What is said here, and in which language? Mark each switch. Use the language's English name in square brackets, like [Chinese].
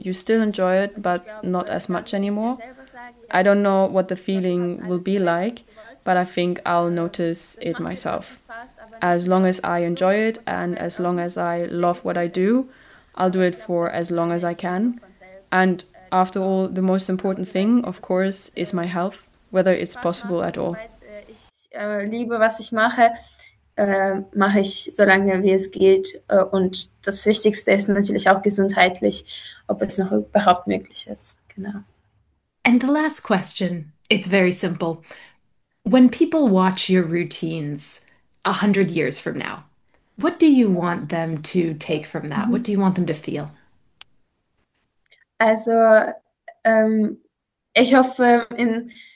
[English] You still enjoy it, but not as much anymore. I don't know what the feeling will be like, but I think I'll notice it myself. As long as I enjoy it and as long as I love what I do, I'll do it for as long as I can. And after all, the most important thing, of course, is my health, whether it's possible at all. [German] Liebe, was ich mache, mache ich so lange wie es geht. Und das Wichtigste ist natürlich auch gesundheitlich, ob es noch überhaupt möglich ist. Genau. [English] And the last question, it's very simple. When people watch your routines 100 years from now, what do you want them to take from that? What do you want them to feel? [German] Also, ich hoffe in